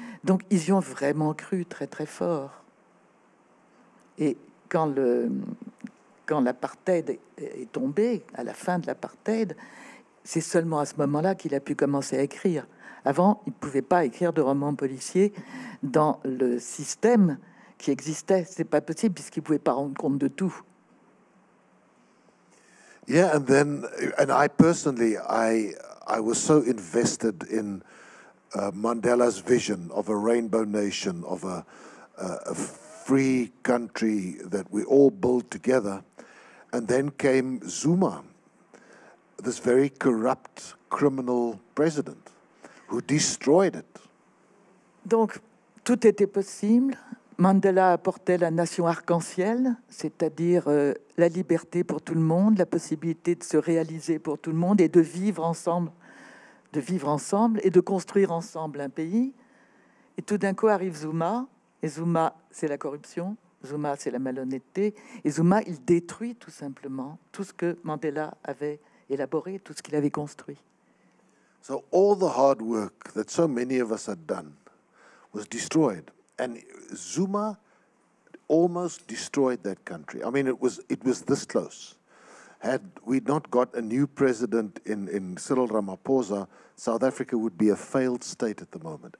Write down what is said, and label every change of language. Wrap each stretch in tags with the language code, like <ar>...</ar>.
<fr>Donc, ils y ont vraiment cru très, très fort. Et quand l'apartheid est tombé, à la fin de l'apartheid, c'est seulement à ce moment-là qu'il a pu commencer à écrire. Avant, il ne pouvait pas écrire de romans policiers dans le système qui existait. Ce n'est pas possible, puisqu'il ne pouvait pas rendre compte de tout.</fr> <en>Yeah, and then, and I personally, I was so invested in Mandela's vision of a rainbow nation, of a free country that we all build together. And then came Zuma, this very corrupt criminal president who destroyed it.</en> <fr>Donc, tout était possible. Mandela apportait la nation arc-en-ciel, c'est-à-dire la liberté pour tout le monde, la possibilité de se réaliser pour tout le monde et de vivre ensemble et de construire ensemble un pays. Et tout d'un coup arrive Zuma. Et Zuma, c'est la corruption. Zuma, c'est la malhonnêteté. Et Zuma, il détruit tout simplement tout ce que Mandela avait élaboré, tout ce qu'il avait construit.</fr> <en>So all the hard work that so many of us had done was destroyed, and Zuma almost destroyed that country. I mean, it was this close. Had we not got a new president in Cyril Ramaphosa, South Africa would be a failed state at the moment.</en>